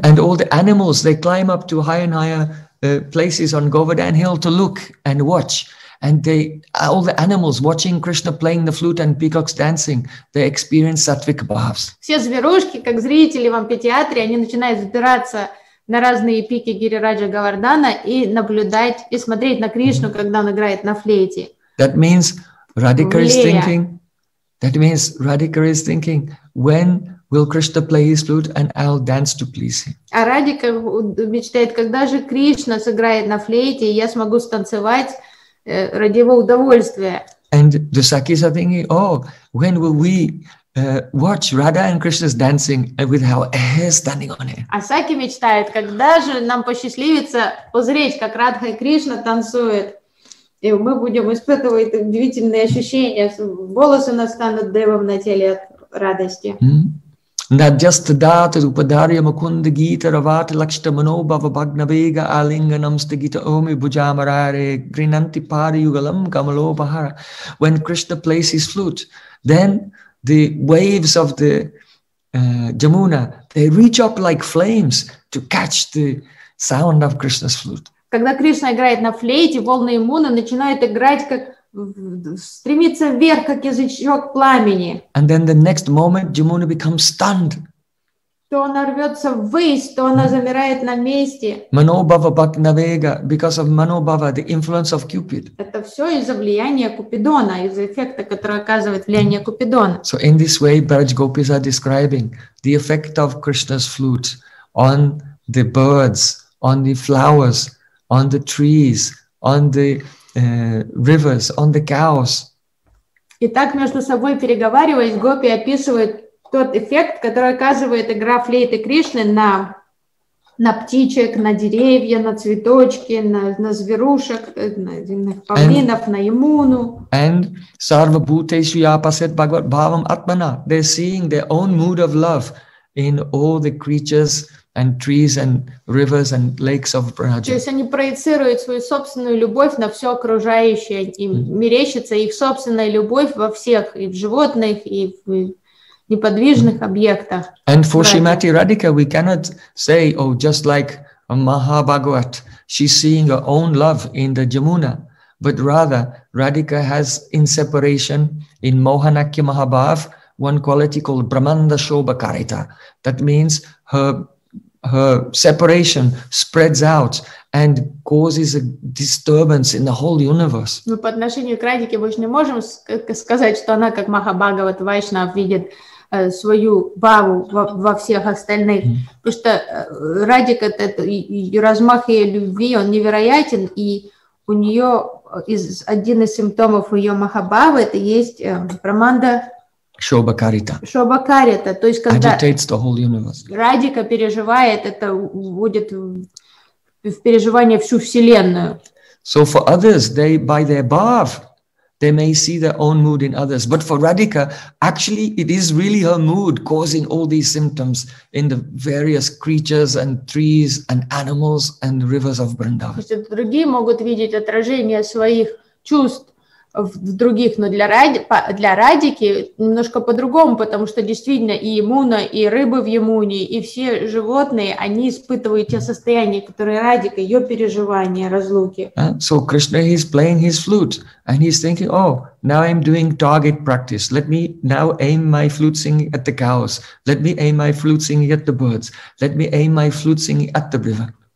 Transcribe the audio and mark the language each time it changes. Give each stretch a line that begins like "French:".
English: And all the animals, they climb up to higher and higher places on Govardhan Hill to look and watch, and they all the animals watching Krishna playing the flute and peacocks dancing, they experience sattvic bhavs.
Russian: Все зверушки, как зрители в амфитеатре, они начинают забираться на разные пики Гирираджа Говардана и наблюдать и смотреть на Кришну, когда он играет на флейте.
English: That means Radhika is thinking. That means Radhika is thinking when will Krishna play his flute and I'll dance to please him.
Russian: А Радика мечтает, когда же Кришна сыграет на флейте, и я смогу станцевать ради его удовольствия.
English: And the Sakis are thinking, oh, when will we watch Radha and Krishna's dancing with our hair standing on it?
Russian: А Саки мечтает, когда же нам посчастливится узреть, как Радха и Кришна танцуют, и мы будем испытывать удивительные ощущения, волосы у нас станут дымом на теле от радости.
Sanskrit: Надьястадата упадарья макунда гита равата лакшта манобава багнавега алинганам стагита оми буджамараре гринанти пари югалам камалобахара.
English: When Krishna plays his flute, then the waves of the Jamuna, They reach up like flames to catch the sound of Krishna's flute.
Russian: Когда Кришна играет на флейте, волны и муны начинают играть, как стремиться вверх, как язычок пламени.
English: And then the next moment, Jamuna becomes stunned.
Russian: То она рвется ввысь, то она замирает на месте.
Sanskrit: Manobhava Bhaknavega,
English: because of Manobhava, the influence of Cupid.
Russian: Это все из-за влияния Купидона, из-за эффекта, который оказывает влияние Купидона.
English: So in this way, Braj Gopis are describing the effect of Krishna's flute on the birds, on the flowers, on the trees, on the rivers, on the cows.
Russian: И так между собой переговариваясь, гопи описывают тот эффект, который оказывает игра флейты Кришны на птичек, на деревья, на цветочки, на зверушек, на земных павлинов, на Ямуну.
Sanskrit: And sarva bhuteshu yapaset bhagavat bhavam atmana.
English: They're seeing their own mood of love in all the creatures and trees and rivers and lakes of Braja.
Russian: То есть они проецируют свою собственную любовь на все окружающее, и мерещится их собственная любовь во всех, и в животных, и в неподвижных объектах.
English: And for Shrimati Radhika, we cannot say, oh, just like a Mahabhagavat, she's seeing her own love in the Jamuna. But rather, Radhika has in separation, in Mohanakya Mahabhav, one quality called Brahmanda Shobhakarita. That means her separation spreads out and causes a disturbance in the whole universe.
Russian: Мы по отношению к Радике больше не можем сказать, что она как Махабхагават Вайшна видит свою бхаву во всех остальных, потому что Радика, и размах ее любви, он невероятен, и у нее один из симптомов ее махабхавы это есть Браманда Шобхакарита. Шобхакарита, то есть когда
English: agitates the whole universe.
Russian: Радика переживает, это вводит в переживание всю вселенную.
English: So for others, they by their bhav, they may see their own mood in others, but for Radhika, actually, it is really her mood causing all these symptoms in the various creatures and trees and animals and rivers of Vrindavan.
Russian: То есть другие могут видеть отражение своих чувств в других, но для Радики немножко по-другому, потому что действительно и Ямуна, и рыбы в Ямуне, и все животные, они испытывают те состояния, которые Радика, ее переживания, разлуки.
English: So Krishna is playing his flute, and he's thinking, oh, now I'm doing target practice. Let me now aim my flute singing at the cows. Let me aim my flute singing at the birds. Let me aim my flute singing at the river.